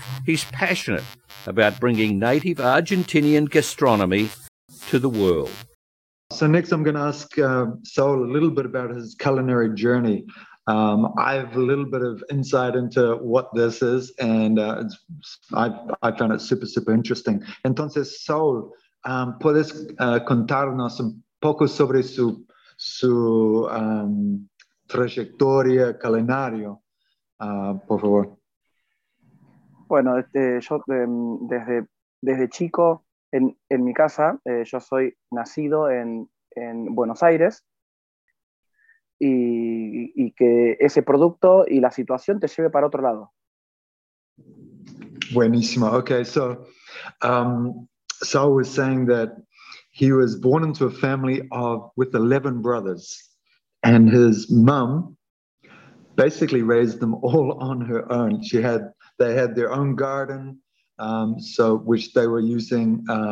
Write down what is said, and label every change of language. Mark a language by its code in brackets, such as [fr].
[en] He's passionate about bringing native Argentinian gastronomy to the world. So next I'm going to ask Saul a little bit about his culinary journey. I have a little bit of insight into what this is, and I found it super, super interesting. [es] Entonces, Saul, puedes contarnos un poco sobre su trayectoria culinario, por favor. Bueno, yo desde chico, en mi casa, yo soy nacido en Buenos Aires. Y que ese producto y la situación te lleve para otro lado. Buenísimo. [en] Okay, so Saul was saying that he was born into a family with 11 brothers, and his mom basically raised them all on her own. They had their own garden, which they were using.